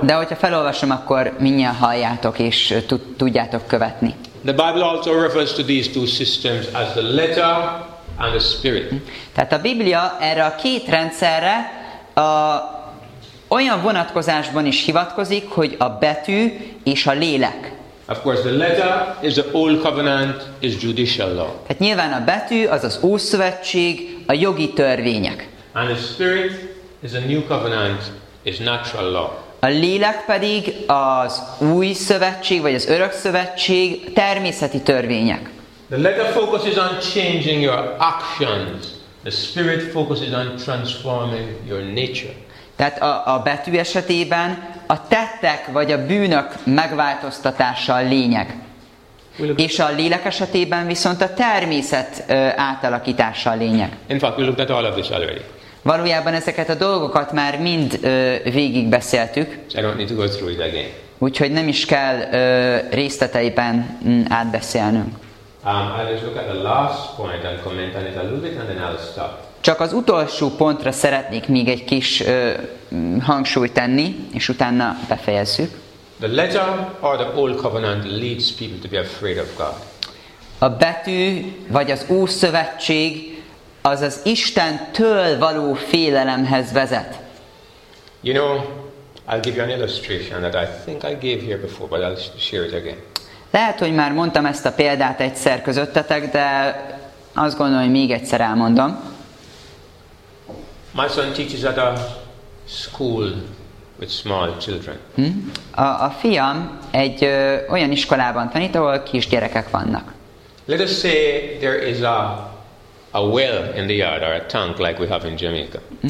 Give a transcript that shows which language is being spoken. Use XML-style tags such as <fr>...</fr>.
<hu>de hogyha felolvasom, akkor mindjárt halljátok és tudjátok követni.</hu> <en>The Bible also refers to these two systems as the letter and the spirit.</en> <hu>Tehát a Biblia erre a két rendszerre a olyan vonatkozásban is hivatkozik, hogy a betű és a lélek.</hu> <en>Of course, the letter is the old covenant, is judicial law.</en> <hu>Hát nyilván a betű az az ószövetség, a jogi törvények.</hu> <en>And the spirit is a new covenant, is natural law.</en> <hu>A lélek pedig az új szövetség vagy az örök szövetség természeti törvények.</hu> <en>The letter focuses on changing your actions. The spirit focuses on transforming your nature.</en> <hu>Tehát a betű esetében a tettek vagy a bűnök megváltoztatása a lényeg. És a lélek esetében viszont a természet átalakítása a lényeg.</hu> <en>In fact, we looked at all of this already.</en> <hu>Valójában ezeket a dolgokat már mind végig beszéltük.</hu> <en>I don't need to go through it again.</en> <hu>Úgyhogy nem is kell részleteiben átbeszélnünk.</hu> <en>I'll just look at the last point and comment on it a little bit and then I'll stop.</en> <hu>Csak az utolsó pontra szeretnék még egy kis hangsúlyt tenni, és utána befejezzük.</hu> <en>The letter or the old covenant leads people to be afraid of God.</en> <hu>A betű vagy az ószövetség az az Istentől való félelemhez vezet.</hu> <en>You know, I'll give you an illustration that I think I gave here before, but I'll share it again.</en> <hu>Lehet, hogy már mondtam ezt a példát egyszer közöttetek, de azt gondolom, hogy még egyszer elmondom.</hu> <en>My son teaches at a school with small children.</en> <hu>A fiam egy olyan iskolában tanít, ahol kis gyerekek vannak.</hu> <en>Let us say there is a well in the yard or a tank like we have in Jamaica.</en>